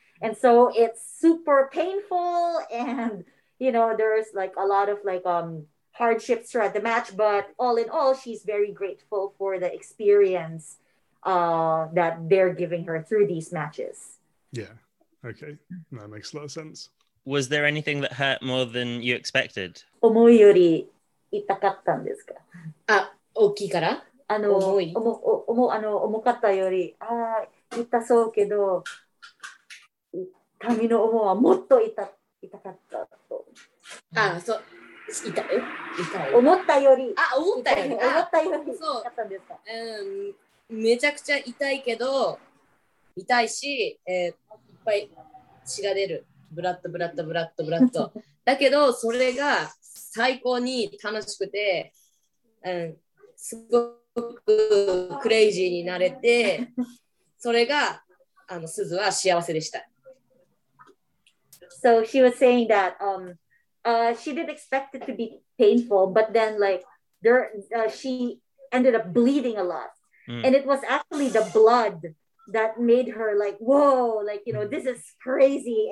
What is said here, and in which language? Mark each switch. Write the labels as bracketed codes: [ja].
[en] And so it's super painful. And, you know, there's like a lot of like, hardships throughout the match, but all in all, she's very grateful for the experience that they're giving her through these matches. Yeah, okay, that makes a lot of sense. Was there anything that hurt more than you expected? [ja] 思いより痛かったんですか？あ、大きいから？あの、重い。おも、お、おも、あの、重かったより、あ、痛そうけど、痛みの重はもっと痛かったと。あ、そう。痛い思ったより。あ、思ったより。思ったより。そう。めちゃくちゃ痛いけど、痛いし、いっぱい血が出る。ブラッド、ブラッド、ブラッド、ブラッド。だけど、それが最高に楽しくて、すごくクレイジーになれて、それが、すずは幸せでした。 [en] So she was saying that, she didn't expect it to be painful, but then like she ended up bleeding a lot. And it was actually the blood that made her like, whoa, like, you know, this is crazy.